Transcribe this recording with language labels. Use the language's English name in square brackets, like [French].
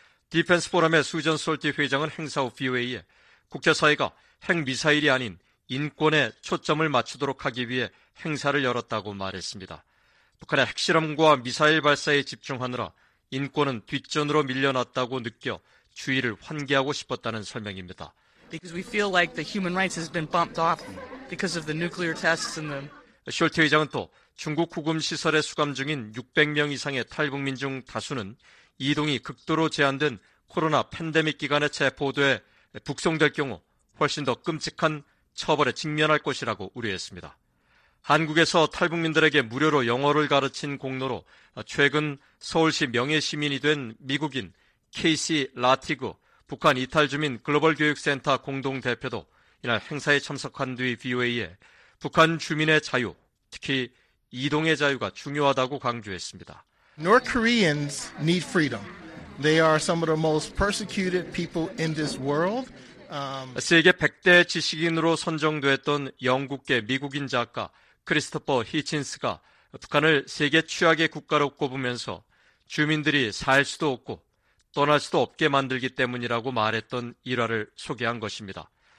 [Korean] 디펜스 포럼의 수전 솔티 회장은 행사 후 VOA에 국제사회가 핵미사일이 아닌 인권에 초점을 맞추도록 하기 위해 행사를 열었다고 말했습니다. 북한의 핵실험과 미사일 발사에 집중하느라 인권은 뒷전으로 밀려났다고 느껴 주의를 환기하고 싶었다는 설명입니다. [English] Because we feel like the human rights has been bumped off because of the nuclear tests and the [Korean] 숄트 의장은 또 중국 구금 시설에 수감 중인 600명 이상의 탈북민 중 다수는 이동이 극도로 제한된 코로나 팬데믹 기간에 체포돼 북송될 경우 훨씬 더 끔찍한 처벌에 직면할 것이라고 우려했습니다. 한국에서 탈북민들에게 무료로 영어를 가르친 공로로 최근 서울시 명예시민이 된 미국인 케이시 라티그 북한 이탈주민 글로벌교육센터 공동대표도 이날 행사에 참석한 뒤 VOA에 북한 주민의 자유, 특히 이동의 자유가 중요하다고 강조했습니다. [English] North Koreans need freedom. They are some of the most persecuted people in this world. [Korean] 세계 100대 지식인으로 선정됐던 영국계 미국인 작가 크리스토퍼 히친스가 북한을 세계 최악의 국가로 꼽으면서 주민들이 살 수도 없고 떠날 수도 없게 만들기 때문이라고 말했던 일화를 소개한 것입니다.